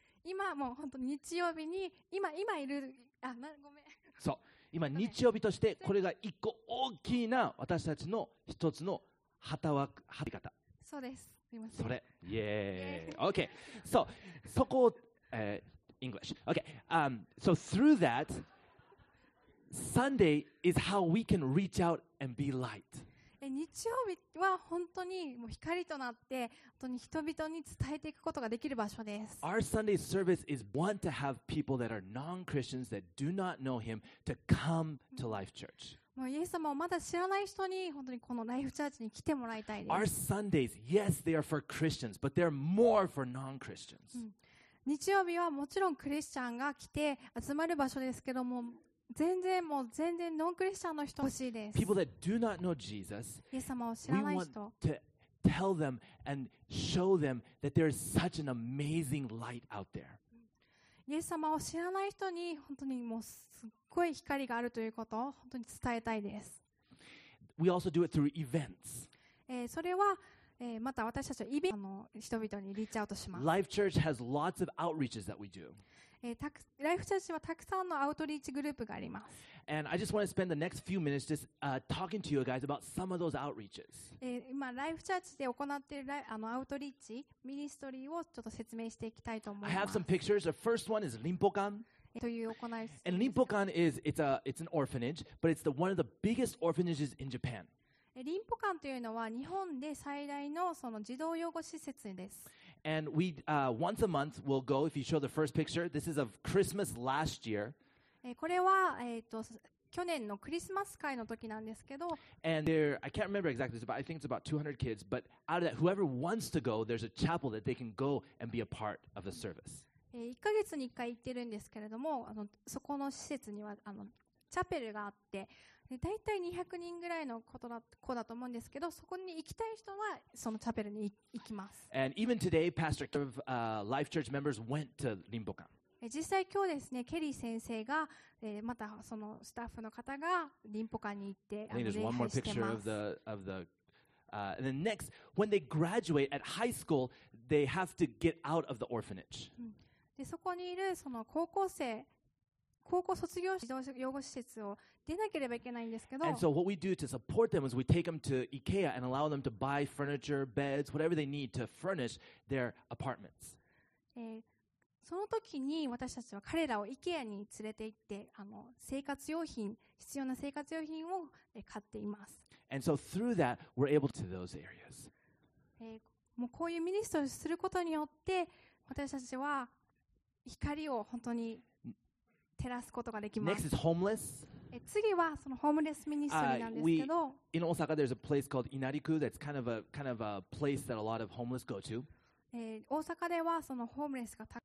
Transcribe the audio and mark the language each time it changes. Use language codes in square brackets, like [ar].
[ja] 今もう本当に日曜日に今いる、あ、な、ごめん。そう、今日曜日としてこれが一個大きな私たちの一つの働く働き方。そうです。すみません。それ、イエーイ。OK。そう、そこを、English。 OK。 [en] So through that, Sunday is how we can reach out and be light。 [ja] 日曜日は本当にもう光となって本当に人々に伝えていくことができる場所です。 [en] Our Sunday service is want to have people that are non-Christians that do not know Him to come to Life Church。 [ja] もうイエス様をまだ知らない人に本当にこのライフチャーチに来てもらいたいです。 [en] Our Sundays, yes, they are for Christians, but they're more for non-Christians. [ja] 日曜日はもちろんクリスチャンが来て集まる場所ですけども、全然もう全然ノンクリスチャンの人欲しいです。 [en] People that do not know Jesus, [ja] イエス様を知らない人、 [en] we want to tell them and show them that there is such an amazing light out there. [ja] イエス様を知らない人に本当にもうすっごい光があるということを本当に伝えたいです。 [en] We also do it through events. [ja] それは、また私たちはイベントの人々にリーチアウトします。 [en] Life Church has lots of outreaches that we do. [ja] Life Church はたくさんのアウトリーチグループがあります。 [en] And I just want to spend the next few minutes just talking to you guys about some of those outreaches. [ja] 今、Life Church で行っているあのアウトリーチ、ミニストリーをちょっと説明していきたいと思います。 [en] I have some pictures. The first one is Limpokan. [ja] という行い。 [en] And Limpokan is it's an orphanage, but it's one of the biggest orphanages in Japan. [ja] リンポ館というのは日本で最大 の, その児童養護施設です。 [en] And we, once a month we'll go, if you show the first picture, this is of Christmas last year. [ja] これは、去年のクリスマス会の時なんですけど。 [en] And there, I can't remember exactly this, but I think it's about 200 kids, but out of that, whoever wants to go, there's a chapel that they can go and be a part of the service. [ja] 1ヶ月に1回行ってるんですけれども、そこの施設にはチャペルがあって、だいたい200人ぐらいの子だと思うんですけど、そこに行きたい人はそのチャペルに行きます。 [en] And even today, Pastor of Life Church members went to Rinpokan. [ja] 実際今日ですね、ケリー先生が、またそのスタッフの方がリンポカンに行って、礼拝してます。 [en] One more picture of the and then next, when they graduate at high school, they have to get out of the orphanage. [ja] でそこにいるその高校生高校卒業児童養護施設を出なければいけないんですけど。 [en] And so what we do to support them is we take them to IKEA and allow them to buy furniture, beds, whatever they need to furnish their apartments. [ja] その時に私たちは彼らを IKEA に連れて行って、生活用品、必要な生活用品を買っています。 [en] And so through that, we're able to those areas. [ja] もうこういうミニストリーすることによって、私たちは光を本当に照らすことができます。 [en] Next is homeless. [ja] 次はそのホームレスミニストリーなんですけど。 [en] In Osaka, there's a place called Inariku. That's kind of a place that a lot of homeless go to. [ja] 大阪ではそのホームレスが